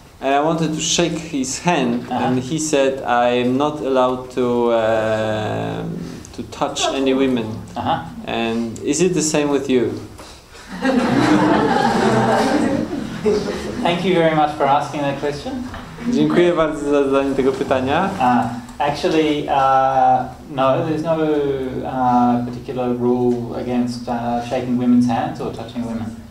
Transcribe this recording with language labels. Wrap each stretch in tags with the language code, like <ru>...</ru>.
<en>And I wanted to shake his hand, and he said, "I am not allowed to touch any women." Uh-huh. And is it the same with you? Thank you very much for asking that question.</en> <pl>Dziękuję bardzo za zadanie tego pytania.</pl> <en>Actually, no, there's no particular rule against shaking women's hands or touching women.</en>